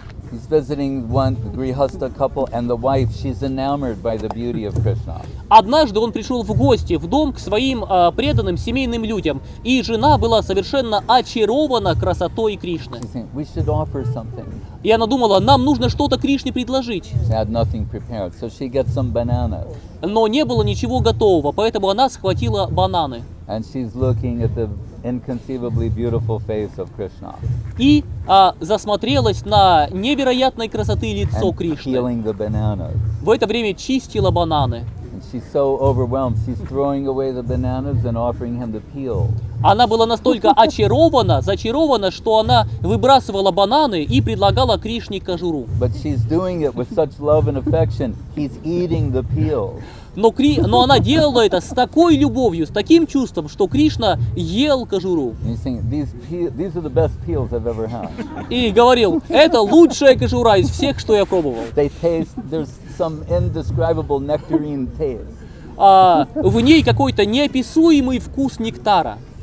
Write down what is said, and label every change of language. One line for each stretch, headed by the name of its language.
English: He's visiting one grihastha couple, and the wife, she's enamored by the beauty of Krishna.
Russian: Однажды он пришел в гости в дом к своим преданным семейным людям, и жена была совершенно очарована красотой Кришны.
English: We should offer something.
Russian: И она думала, нам нужно что-то Кришне предложить.
English: She had nothing prepared, so she gets some bananas.
Russian: Но не было ничего готового, поэтому она схватила бананы.
English: And she's looking at the inconceivably beautiful face of Krishna.
Russian: И засмотрелась на невероятной красоты лицо Кришны.
English: Peeling the bananas.
Russian: В это время чистила бананы.
English: And she's so overwhelmed, she's throwing away the bananas and offering him the peel.
Russian: Она была настолько очарована, зачарована, что она выбрасывала бананы и предлагала Кришне кожуру.
English: But she's doing it with such love and affection. He's eating the peel.
Russian: Но она делала это с такой любовью, с таким чувством, что Кришна ел кожуру.
English: These are the best peels I've ever had.
Russian: И говорил, это лучшая кожура из всех, что я пробовал.
English: They taste, there's some indescribable nectarine taste.
Russian: В ней какой-то неописуемый вкус нектара.